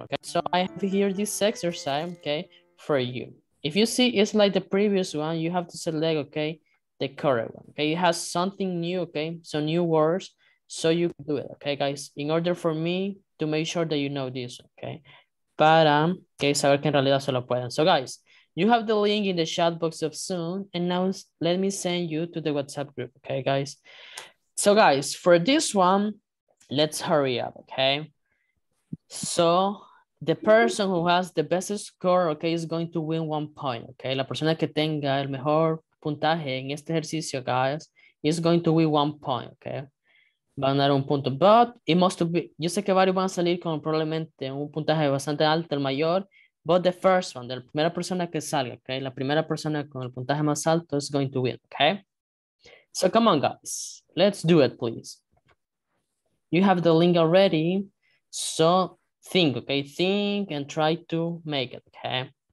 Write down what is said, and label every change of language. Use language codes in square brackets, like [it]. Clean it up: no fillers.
[en] Okay, so I have here this exercise, okay, for you. If you see, it's like the previous one. You have to select, okay, the current one. Okay, it has something new, okay? So new words, so you can do it, okay, guys? In order for me to make sure that you know this, okay? [es] Para que saber que en realidad se lo pueden. [en] So guys, you have the link in the chat box of Zoom, and now let me send you to the WhatsApp group, okay, guys? So guys, for this one, let's hurry up, okay? So the person who has the best score, okay, is going to win 1 point, okay? [es] La persona que tenga el mejor puntaje en este ejercicio, guys, [en] is going to win 1 point, [es] okay? Van a dar un punto, [en] but it must be, [es] yo sé que varios van a salir con probablemente un puntaje bastante alto, el mayor, but the first one, la primera persona que salga, okay? La primera persona con el puntaje más alto [en] is going to win, [es] okay? [en] So come on, guys, let's do it, please. You have the link already, so think, okay? Think and try to make it, okay?